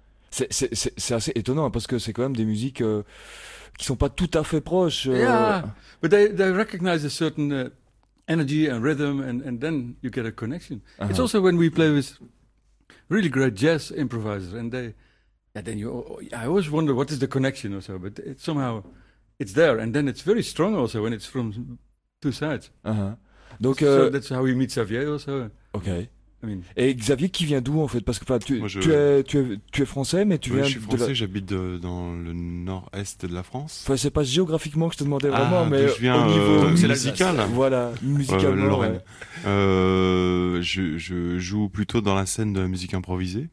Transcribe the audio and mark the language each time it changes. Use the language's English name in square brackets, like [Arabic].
[French] C'est assez étonnant parce que c'est quand même des musiques qui sont pas tout à fait proches. [English] Yeah, but they recognize a certain energy and rhythm, and then you get a connection. It's also when we play with really great jazz improvisers, I always wonder what is the connection or so, but it's somehow. It's there, and then it's very strong also when it's from two sides. [French] Donc, [English] so that's how we meet Xavier also. Okay. I mean. [French] Et Xavier, qui vient d'où en fait? Parce que tu es français, mais viens. Je suis français. J'habite dans le nord-est de la France. Enfin, c'est pas géographiquement que je te demandais vraiment, mais je viens, au niveau musical. Voilà, musicalement. Lorraine. Je joue plutôt dans la scène de la musique improvisée.